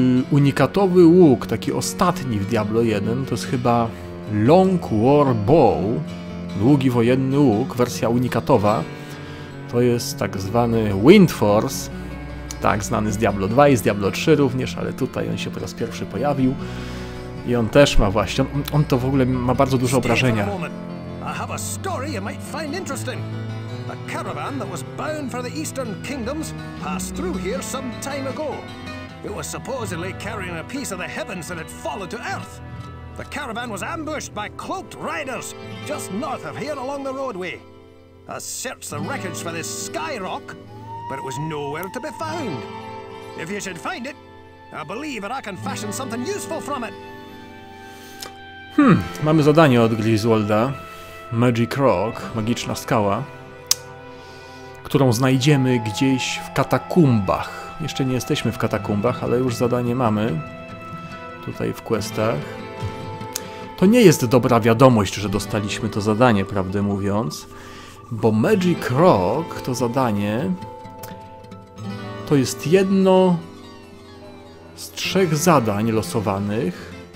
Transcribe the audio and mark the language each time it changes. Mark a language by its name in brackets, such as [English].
[Polish] Unikatowy łuk, taki ostatni w Diablo 1, to jest chyba Long War Bow. Długi wojenny łuk, wersja unikatowa. To jest tak zwany Windforce. Tak, znany z Diablo 2 i z Diablo 3 również, ale tutaj on się po raz pierwszy pojawił. I on też ma właśnie, on to w ogóle ma bardzo dużo obrażenia. [English] I have a story you might find interesting. A caravan that was bound for the Eastern Kingdoms passed through here some time ago. It was supposedly carrying a piece of the heavens that had fallen to earth. The caravan was ambushed by cloaked riders just north of here along the roadway. I searched the wreckage for this sky rock, but it was nowhere to be found. If you should find it, I believe that I can fashion something useful from it. [Polish] Mamy zadanie od Griswolda. Magic Rock, magiczna skała, którą znajdziemy gdzieś w katakumbach. Jeszcze nie jesteśmy w katakumbach, ale już zadanie mamy tutaj w questach. To nie jest dobra wiadomość, że dostaliśmy to zadanie, prawdę mówiąc, bo Magic Rock, to zadanie, to jest jedno z trzech zadań losowanych.